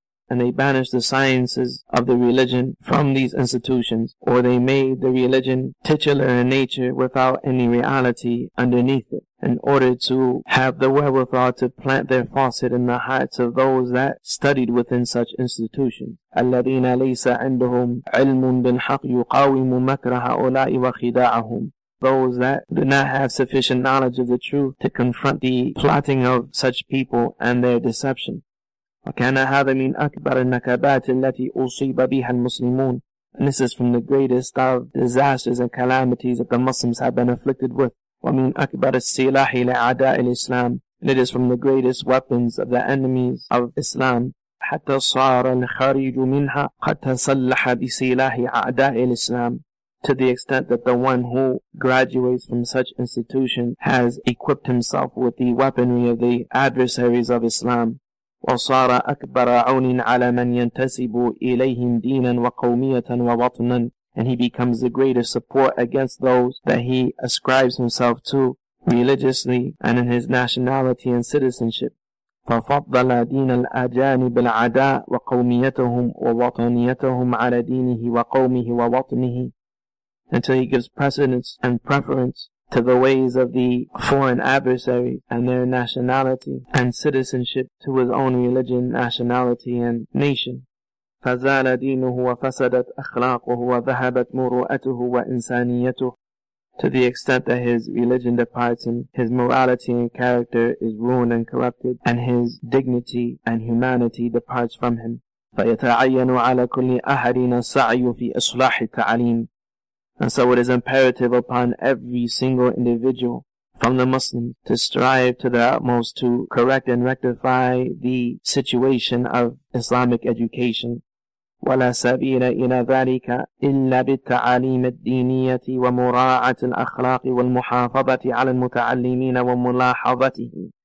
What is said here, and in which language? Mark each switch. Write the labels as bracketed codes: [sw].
[en] And they banished the sciences of the religion from these institutions, or they made the religion titular in nature without any reality underneath it, in order to have the wherewithal to plant their falsehood in the hearts of those that studied within such institutions. [ar] الَّذِينَ لَيْسَ عِنْدُهُمْ عِلْمٌ بِالْحَقِّ يُقَاوِمُ مَكْرَ هَؤُلَاءِ وَخِدَاعَهُمْ. [en] Those that do not have sufficient knowledge of the truth to confront the plotting of such people and their deception. [ar] وكان هذا من أكبر النكبات التي أصيب بها المسلمون. [en] And this is from the greatest of disasters and calamities that the Muslims have been afflicted with. [ar] ومن أكبر السلاح لأعداء الإسلام. [en] And it is from the greatest weapons of the enemies of Islam. [ar] حتى صار الخارج منها قد تسلح بسلاح أعداء الإسلام. [en] To the extent that the one who graduates from such institution has equipped himself with the weaponry of the adversaries of Islam. [ar] وصار أكبر عون على من ينتسب إليهم دينا وقومية ووطنا. [en] and he becomes the greatest support against those that he ascribes himself to religiously and in his nationality and citizenship. [ar] ففضل دين الأجانب العداء وقوميتهم ووطنيتهم على دينه وقومه ووطنه. [en] Until he gives precedence and preference to the ways of the foreign adversary and their nationality and citizenship to his own religion, nationality, and nation. [ar] فزال دينه وفسدت أخلاقه وذهبت مروءته وإنسانيته. [en] To the extent that his religion departs him, his morality and character is ruined and corrupted, and his dignity and humanity departs from him. [ar] فيتعين على كل أحد السعي في إصلاح التعليم. [en] And so it is imperative upon every single individual from the Muslims to strive to the utmost to correct and rectify the situation of Islamic education. [ar] وَلَا سَبِيلَ إِلَى ذَلِكَ إِلَّا بِالتَّعَالِيمِ الدِّينِيَّةِ وَمُرَاعَةِ الْأَخْلَاقِ وَالْمُحَافَظَةِ عَلَى الْمُتَعَلِّمِينَ وَمُلَاحَظَتِهِ.